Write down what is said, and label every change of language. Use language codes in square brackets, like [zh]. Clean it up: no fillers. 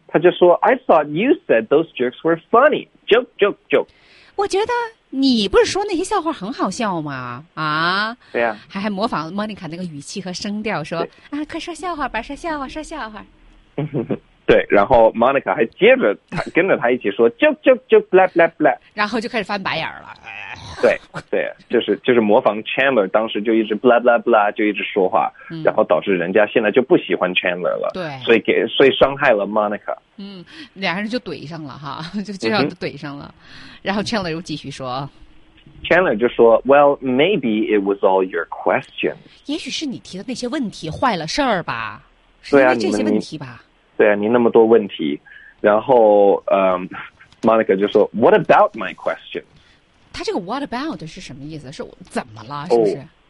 [zh] 他就说 [en] I thought you said those jokes were funny, joke joke joke。 [zh] 我觉得你不是说那些笑话很好笑吗？啊，对呀、啊，还模仿 Monica 那个语气和声调说啊，快说笑话吧，说笑话，说笑话。对，然后 Monica 还接着他跟着他一起说 [en] joke joke joke blah blah [zh] blah, 然后就开始翻白眼了。对，就是模仿 Chandler, 当时就一直 [en] blah blah blah [zh] 就一直说话、嗯，然后导致人家现在就不喜欢 Chandler 了。对，所以伤害了 Monica。嗯，俩人就怼上了哈，就这样就怼上了。嗯、然后 Chandler 又继续说， Chandler 就说 [en] ，Well, maybe it was all your questions. [zh] 也许是你提的那些问题坏了事儿吧？对啊，这些问题吧？对啊，你那么多问题，然后Monica 就说 ， [en] What about my questions? [zh] 他这个 what about 是什么意思？是怎么了？是不是？